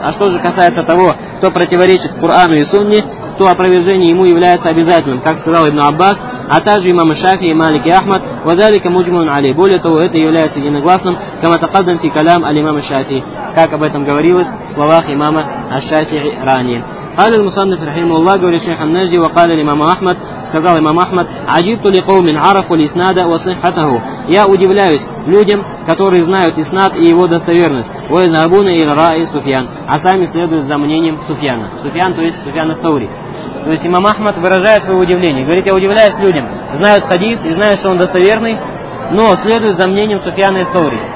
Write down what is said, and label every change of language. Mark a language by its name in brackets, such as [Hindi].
[Russian] А что же касается того, кто противоречит Корану и Сунне, то опровержение ему является обязательным. Как сказал ибн Аббас, а также имамы Шафии и Малики Ахмад, [Arabic] وذلك مجمع عليه. [Russian] Более того, это является единогласным, [Arabic] كما تقدم في كلام الإمام الشافعي, [Russian] как об этом говорилось в словах имама аш-Шафии ранее. [Arabic] قال المصنف رحمه الله, [Russian] говорит шейх ан-Нажди, [Arabic] وقال الإمام أحمد, [Russian] сказал имам Ахмад, [Arabic] عجبت لقوم عرفوا الإسناد وصحته. [Russian] Я удивляюсь людям, которые знают иснад и его достоверность. [Arabic] ويذهبون إلى رأي سفيان, [Russian] а сами следуют за мнением Суфьяна. Суфьян, то есть Суфьяна Саури. То есть имам Ахмад выражает свое удивление. Говорит, я удивляюсь людям, знают хадис и знают, что он достоверный, но следуют за мнением Суфьяна Саури.